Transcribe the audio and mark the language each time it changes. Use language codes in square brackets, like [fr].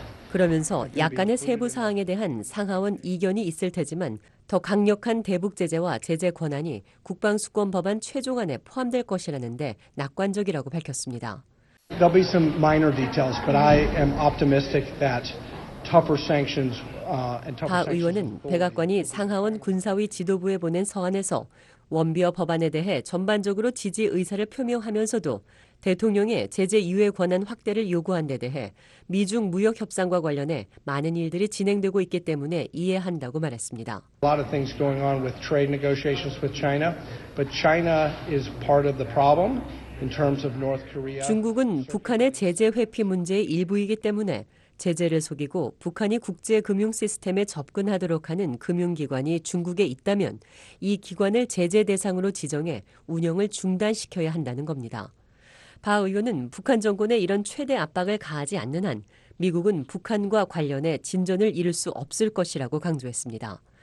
[ko] 그러면서 약간의 세부 사항에 대한 상하원 이견이 있을 테지만 더 강력한 대북 제재와 제재 권한이 국방수권 법안 최종안에 포함될 것이라는데 낙관적이라고 밝혔습니다. [en] There'll be some minor details, but I am optimistic that tougher sanctions. [ko] 바 의원은 백악관이 상하원 군사위 지도부에 보낸 서한에서 원비어 법안에 대해 전반적으로 지지 의사를 표명하면서도 대통령의 제재 유예 권한 확대를 요구한 데 대해 미중 무역 협상과 관련해 많은 일들이 진행되고 있기 때문에 이해한다고 말했습니다. [en] A lot of things going on with trade negotiations with China, but China is part of the problem in terms of North Korea. [ko] 중국은 북한의 제재 회피 문제의 일부이기 때문에 제재를 속이고 북한이 국제 금융 시스템에 접근하도록 하는 금융기관이 중국에 있다면 이 기관을 제재 대상으로 지정해 운영을 중단시켜야 한다는 겁니다. 바 의원은 북한 정권에 이런 최대 압박을 가하지 않는 한 미국은 북한과 관련해 진전을 이룰 수 없을 것이라고 강조했습니다.